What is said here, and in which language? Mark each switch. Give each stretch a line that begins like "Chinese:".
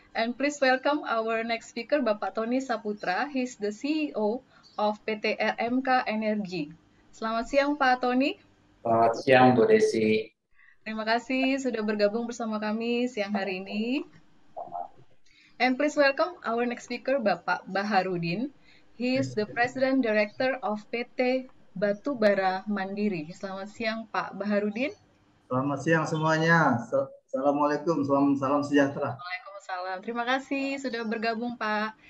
English: And please welcome our next speaker, Bapak Tony Saputra. He's the CEO of PT RMK Energy.
Indonesian: Selamat siang, Pak Tony. Selamat siang, Bu Desi. Terima kasih sudah bergabung bersama kami siang hari ini.
English: And please welcome our next speaker, Bapak Baharudin. He's the President Director of PT Batubara Mandiri.
Indonesian: Selamat siang, Pak Baharudin. Selamat siang semuanya. Assalamualaikum, salam sejahtera. Waalaikumsalam. Terima kasih sudah bergabung, Pak.